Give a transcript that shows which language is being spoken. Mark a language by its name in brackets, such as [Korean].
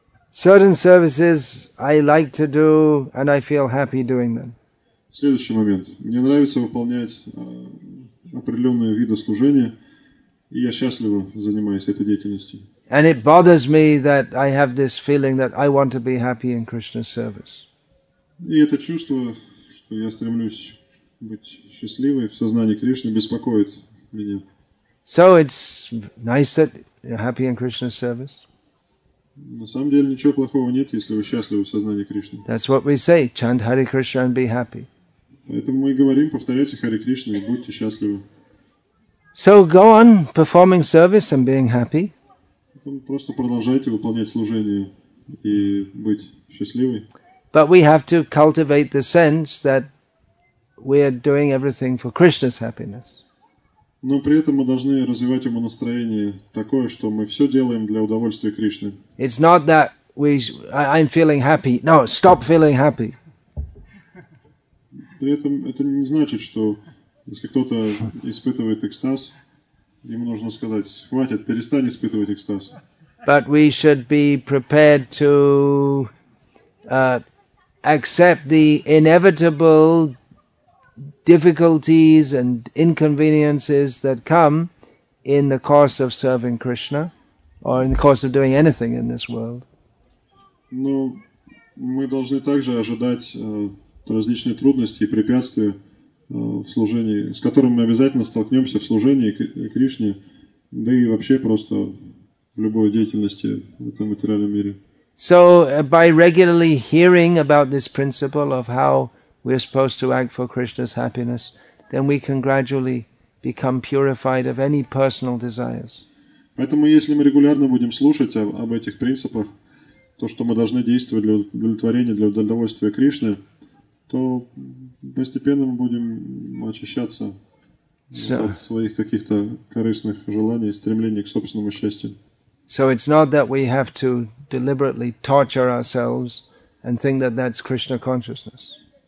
[English] Certain services I like to do and I feel happy doing them. [Russian] Следующий момент. Мне нравится выполнять определенные виды служения, и я счастливо занимаюсь этой деятельностью. [English] And it bothers me that I have this feeling that I want to be happy in Krishna's service. [Russian] И это чувство, что я стремлюсь быть счастливой в сознании Кришны, беспокоит меня. [English] So it's nice that you're happy in Krishna's service. [Russian] На самом деле ничего плохого нет, если вы счастливы в сознании Кришны. [English] That's what we say. Chant Hare Krishna and be happy. [Russian] Поэтому мы и говорим, повторяйте Хари Кришну и будьте счастливы. [English] So go on performing service and being happy. [Russian] Просто продолжайте выполнять служение и быть счастливой. [English] But we have to cultivate the sense that we are doing everything for Krishna's happiness. [Russian] Но при этом мы должны развивать ему настроение такое, что мы все делаем для удовольствия Кришны. [English] It's not that I'm feeling happy. No, stop feeling happy. [Russian] При этом это не значит, что если кто-то испытывает экстаз, ему нужно сказать: хватит, перестань испытывать экстаз. [English] But we should be prepared to accept the inevitable difficulties and inconveniences that come in the course of serving Krishna or in the course of doing anything in this world. [Russian] Ну, мы должны также ожидать различные трудности и препятствия в служении, с которыми мы обязательно столкнемся в служении Кришне, да и вообще просто в любой деятельности в этом материальном мире. [English] So, by regularly hearing about this principle of how we are supposed to act for Krishna's happiness, then we can gradually become purified of any personal desires. [Russian] Поэтому, если мы регулярно будем слушать об этих принципах, то, что мы должны действовать для удовлетворения, для удовольствия Кришны, то постепенно мы будем очищаться от своих каких-то корыстных желаний, стремлений к собственному счастью. [English] So it's not that we have to deliberately torture ourselves and think that that's Krishna consciousness.